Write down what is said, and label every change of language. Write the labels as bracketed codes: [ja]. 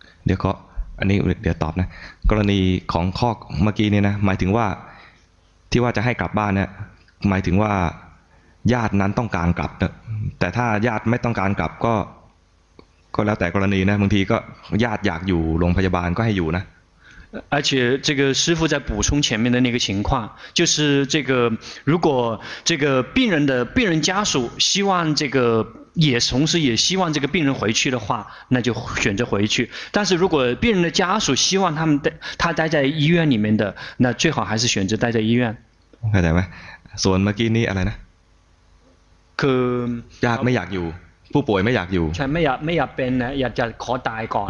[th] เดี๋ยวเขาอันนี้เดี๋ยวตอบนะกรณีของข้อเมื่อกี้เนี่ยนะหมายถึงว่าที่ว่าจะให้กลับบ้านเนี่ยหมายถึงว่าญาตินั้นต้องการกลับแต่ถ้าญาติไม่ต้องการกลับก็แล้วแต่กรณีนะบางทีก็ญาติอยากอยู่โรงพยาบาลก็ให้อยู่นะ [zh] 而且这个师父在补充前面的那个情况就是这个如果这个病人家属希望这个也同时也希望这个病人回去的话那就选择回去但是如果病人的家属希望他待在医院里面的那最好还是选择待在医院 [th] เข้าใจไหมส่วนเมื่อกี้นี้อะไรนะ คือ ญาติไม่อยากอยู่ผู้ป่วยไม่อยากอยู่ ใช่ไม่อยากเป็นนะอยากจะขอตายก่อน